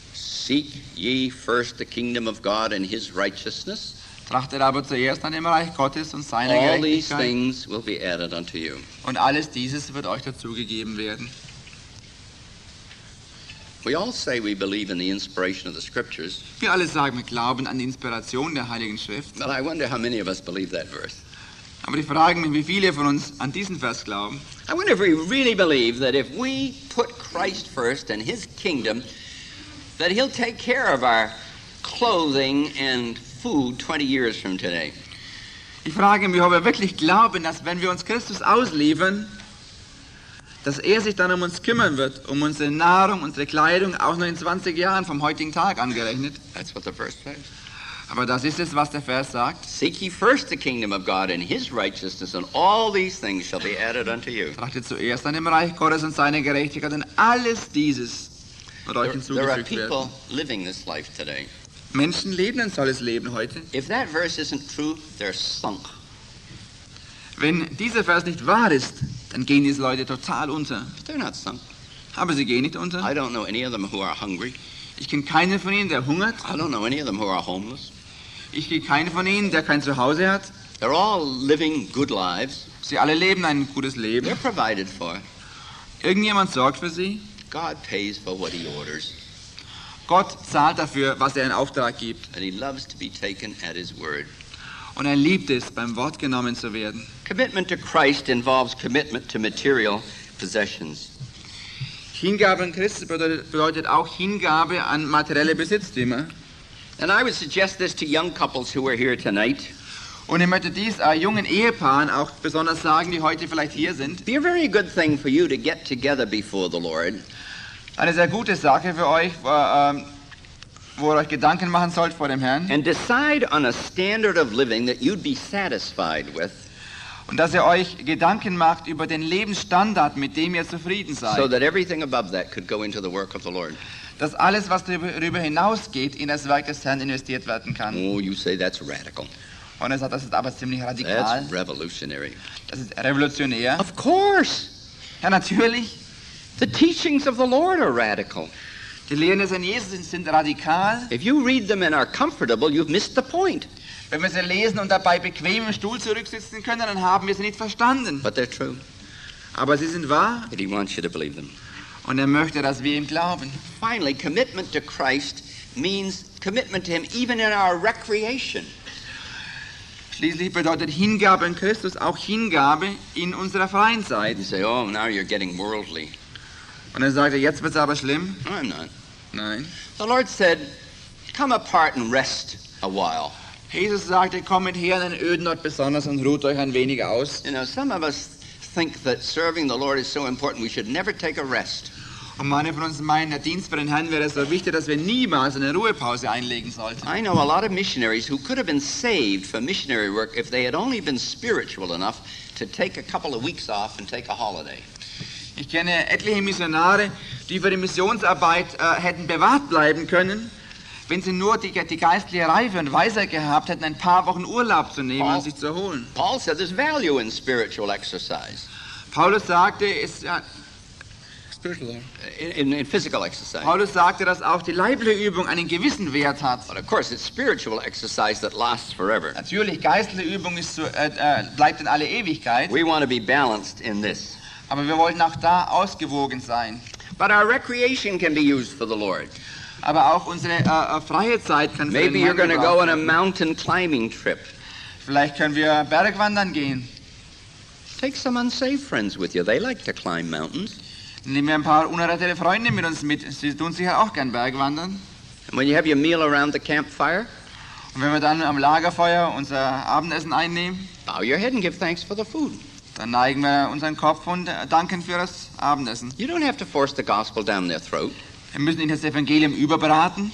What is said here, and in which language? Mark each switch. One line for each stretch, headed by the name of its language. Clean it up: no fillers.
English: Seek ye first the kingdom of God and his righteousness.
German: Trachtet aber zuerst an dem Reich Gottes und seine
English: All These things will be added unto you.
German: Und alles dieses wird euch dazugegeben werden.
English: We all say we believe in the inspiration of the scriptures.
German: Wir alle sagen, wir glauben an die Inspiration der Heiligen Schrift.
English: But I wonder how many of us believe that verse.
German: Aber ich frage mich, wie viele von uns an diesen Vers glauben.
English: I wonder if we really believe that if we put Christ first and his kingdom, that he'll take care of our clothing and food 20 years from today.
German: Ich frage mich, ob wir wirklich glauben, dass wenn wir uns Christus ausliefern, dass er sich dann um uns kümmern wird, um unsere Nahrung, unsere Kleidung, auch noch in 20 Jahren vom heutigen Tag angerechnet.
English: That's what the verse says.
German: Aber das ist es, was der Vers sagt.
English: Seek ye first the kingdom of God and his righteousness, and all these things shall be added unto you.
German: Trachtet zuerst an dem Reich Gottes und seine Gerechtigkeit, und alles dieses wird euch hinzugefügt werden.
English: There are people living this life today.
German: Menschen leben ein solches Leben heute.
English: If that verse isn't true, they're sunk.
German: Wenn dieser Vers nicht wahr ist, dann gehen diese Leute total unter.
English: But they're not sunk.
German: Aber sie gehen nicht unter.
English: I don't know any of them who are hungry.
German: Ich kenne keinen von ihnen, der hungert.
English: I don't know any of them who are homeless.
German: Ich kenne keinen von ihnen, der kein Zuhause hat.
English: They're all living good lives.
German: Sie alle leben ein gutes Leben.
English: They're provided for.
German: Irgendjemand sorgt für sie.
English: God pays for what he orders.
German: Gott zahlt dafür, was er in Auftrag gibt.
English: And he loves to be taken at his word.
German: Und er liebt es, beim Wort genommen zu werden.
English: Commitment to Christ involves commitment to material possessions.
German: Hingabe an Christus bedeutet auch Hingabe an materielle Besitztümer.
English: And I would suggest this to young couples who are here tonight.
German: Und ich möchte dies jungen Ehepaaren auch besonders sagen, die heute vielleicht hier sind.
English: Be a very good thing for you to get together before the Lord.
German: Eine sehr gute Sache für euch, wo ihr euch Gedanken machen sollt vor dem Herrn.
English: And decide on a standard of living that you'd be satisfied with.
German: Und dass ihr euch Gedanken macht über den Lebensstandard, mit dem ihr zufrieden seid.
English: So that everything above that could go into the work of the Lord.
German: Dass alles, was darüber hinausgeht, in das Werk des Herrn investiert werden kann.
English: Oh, you say that's radical.
German: Und er sagt, das ist aber ziemlich radikal.
English: That's revolutionary.
German: Das ist revolutionär.
English: Of course.
German: Ja, natürlich.
English: The teachings of the Lord are radical.
German: Die Lehren des Herrn Jesus sind radikal.
English: If you read them and are comfortable, you've missed the point.
German: Wenn wir sie lesen und dabei bequem im Stuhl zurücksitzen können, dann haben wir sie nicht verstanden.
English: But they're true.
German: Aber sie sind wahr.
English: And he wants you to believe them.
German: Und er möchte, dass wir ihm glauben.
English: Finally, commitment to Christ means commitment to him even in our recreation.
German: Schließlich bedeutet Hingabe an Christus auch Hingabe in unserer freien Zeit.
English: You say, oh, now you're getting worldly.
German: Und er sagte, jetzt wird's aber schlimm.
English: I'm not.
German: Nein.
English: The Lord said, come apart and rest a while.
German: Jesus sagte, kommt her in den öden Ort besonders und ruht euch ein wenig aus.
English: You know, some of us think that serving the Lord is so important we should never take a rest.
German: Und manche von uns meinen, der Dienst für den Herrn wäre so wichtig, dass wir niemals eine Ruhepause einlegen sollten.
English: I know a lot of missionaries who could have been saved for missionary work if they had only been spiritual enough to take a couple of weeks off and take a holiday.
German: Ich kenne etliche Missionare, die für die Missionsarbeit hätten bewahrt bleiben können, wenn sie nur die geistliche Reife und Weisheit gehabt hätten, ein paar Wochen Urlaub zu nehmen und sich zu erholen.
English: Paul said there's value in spiritual exercise.
German: Paulus sagte, es
English: in physical exercise.
German: Paulus sagte, dass auch die leibliche Übung einen gewissen Wert hat.
English: But of course, it's spiritual exercise that lasts forever.
German: Natürlich, geistliche Übung ist so, bleibt in alle Ewigkeit.
English: We want to be balanced in this.
German: Aber wir wollten auch da ausgewogen sein.
English: But our recreation can be used for the Lord.
German: Aber auch unsere freie Zeit kann
English: maybe
German: für den
English: you're going to go on a mountain climbing trip.
German: Vielleicht können wir Bergwandern gehen.
English: Take some unsafe friends with you. They like to climb mountains.
German: Nehmen wir ein paar unerrettete Freunde mit uns mit. Sie tun sicher auch gern Bergwandern.
English: And when you have your meal around the campfire.
German: Und wenn wir dann am Lagerfeuer unser Abendessen einnehmen.
English: Bow your head and give thanks for the food.
German: Dann neigen wir unseren Kopf und danken für das Abendessen.
English: You don't have to force the gospel down their throat.
German: Wir müssen ihnen das Evangelium überbraten.